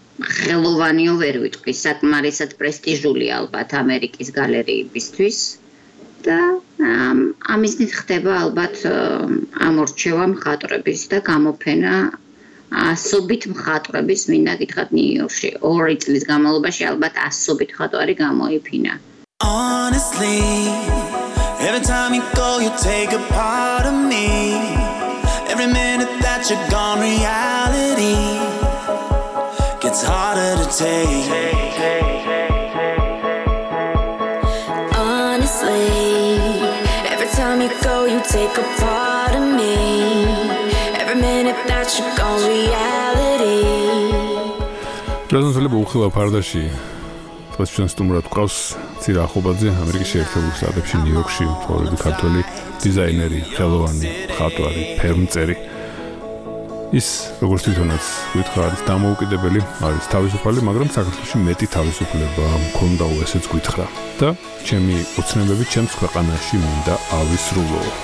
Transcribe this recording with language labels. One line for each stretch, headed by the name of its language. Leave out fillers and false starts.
Georgian: ხელოვანიო ვერ ვიტყვი, საკმარისად პრესტიჟული ალბათ ამერიკის გალერეებისთვის და ამისთვის ხდება ალბათ ამორჩევა მხატვრების და გამოფენა ასობით მხატვრების, მინდა გითხრათ ნიუ-იორკში 2 წლის განმავლობაში ალბათ ასობით მხატვარი გამოიფინა.
English: Honestly, every time you go you take a part of me. Every minute that you're gone reality. It's harder to take. Honestly, every time you go, you take a part of me. Every minute that you go, reality. Presentable ukhila pardashi.
Georgian: ჩვენ სტუმრად გვყავს ცირა ახობაძე ამერიკის შეერთებულ შტატებში ნიუ-იორკში ცხოვრები ქართველი დიზაინერი, ხელოვანი, მხატვარი, ფერმწერი. ის როგორც თვითონაც გვითხრა, არის დამოუკიდებელი, არის თავისუფალი, მაგრამ საქართველოს მეტი თავისუფლება მქონდა უ ესეც გვითხრა და ჩემი უცნობები ჩემს ქვეყანაში მინდა ავისრულო.